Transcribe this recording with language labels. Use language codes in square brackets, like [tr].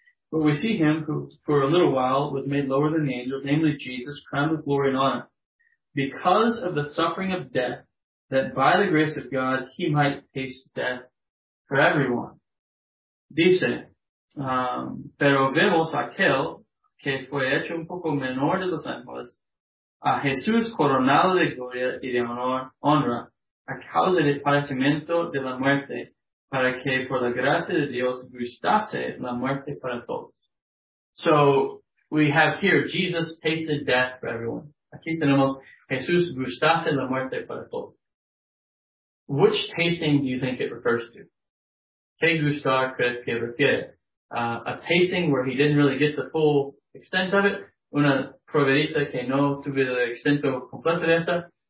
[en] But we see him who, for a little while, was made lower than the angels, namely Jesus, crowned with glory and honor, because of the suffering of death, that by the grace of God he might taste death for everyone. [es] Dice, pero vemos aquel que fue hecho un poco menor de los ángeles, a Jesús coronado de gloria y de honra, a causa del padecimiento de la muerte, para que por la gracia de Dios gustase la muerte para todos. [en] So, we have here, Jesus tasted death for everyone. [es] Aquí tenemos, Jesús gustase la muerte para todos. [en] Which tasting do you think it refers to? [es] ¿Qué gustar crees que refiere? [en] A tasting where he didn't really get the full extent of it? [es] Una probadita que no tuve el extento completo de esta?